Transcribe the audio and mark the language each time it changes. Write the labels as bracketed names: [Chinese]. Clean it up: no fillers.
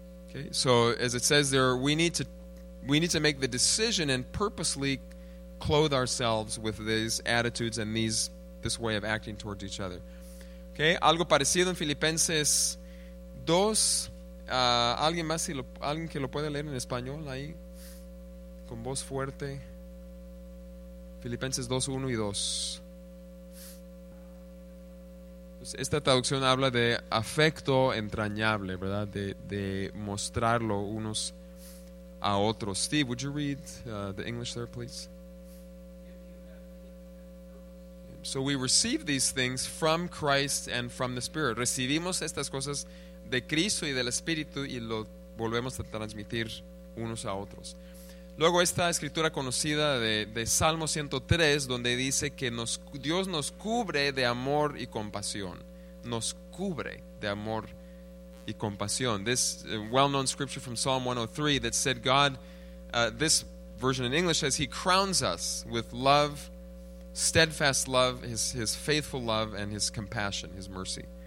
[English] Okay, so as it says there, we need to make the decision and purposely clothe ourselves with these attitudes and this way of acting towards each other. [Spanish] Okay, algo parecido en Filipenses 2. Alguien más, alguien que lo puede leer en español ahí, con voz fuerte. Filipenses 2:1-2. Esta traducción habla de afecto entrañable, ¿verdad? De mostrarlo unos a otros. [English] Steve, would you read the English there, please? So we receive these things from Christ and from the Spirit. [Spanish] Recibimos estas cosas de Cristo y del Espíritu y lo volvemos a transmitir unos a otros. Luego esta escritura conocida de Salmo 103, donde dice que Dios nos cubre de amor y compasión. Nos cubre de amor y compasión. [English] This well-known scripture from Psalm 103 that said God, this version in English says, He crowns us with love, steadfast love, His faithful love, and His compassion, His mercy.